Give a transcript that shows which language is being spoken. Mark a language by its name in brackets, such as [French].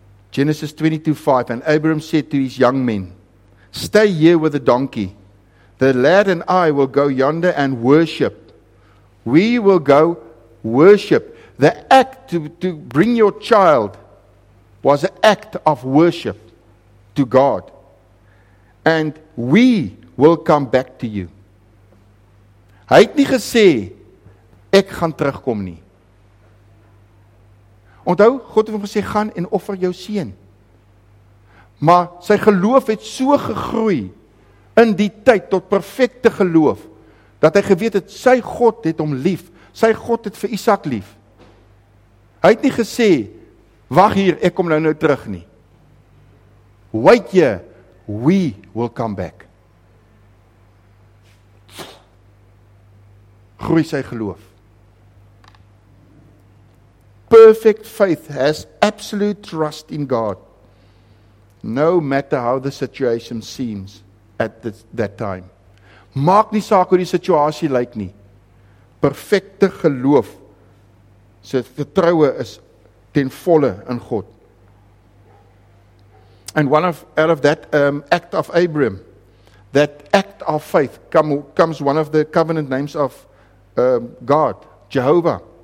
[English] Genesis 22:5, and Abraham said to his young men, stay here with the donkey. The lad and I will go yonder and worship. We will go worship. The act to bring your child was an act of worship to God. And we will come back to you. [Afrikaans] Hy het nie gesê, ek gaan terugkom nie. Onthou, God het hom gesê, gaan en offer jou seun. Maar sy geloof het so gegroei in die tyd tot perfekte geloof, dat hy geweet het, sy God het hom lief. Sy God het vir Isaac lief. Hy het nie gesê, wag hier, ek kom nou terug nie. [English] Wait ye, we will come back. [Afrikaans] Groei sy geloof. [English] Perfect faith has absolute trust in God, no matter how the situation seems at that time. [Afrikaans] Maak nie saak hoe die situasie lyk nie. Perfekte geloof, sy vertroue is ten volle in God. [English] And out of that act of Abraham, that act of faith, comes one of the covenant names of God, Jehovah.